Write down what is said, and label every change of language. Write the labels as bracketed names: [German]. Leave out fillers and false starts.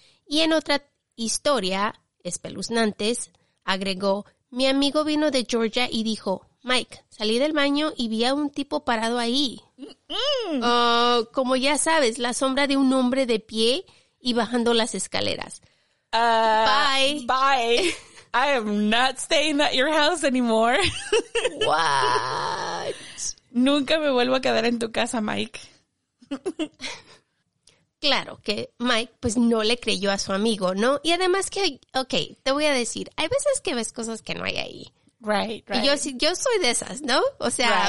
[Spanish] Y en otra historia, espeluznantes, agregó: mi amigo vino de Georgia y dijo, Mike, salí del baño y vi a un tipo parado ahí. Como ya sabes, la sombra de un hombre de pie y bajando las escaleras. [English] Bye. I am not staying at your house anymore. What? [Spanish] Nunca me vuelvo a quedar en tu casa, Mike. Claro que Mike, pues, no le creyó a su amigo, ¿no? Y además que, ok, te voy a decir, hay veces que ves cosas que no hay ahí. [English] Right. [Spanish] Y yo soy de esas, ¿no? O sea,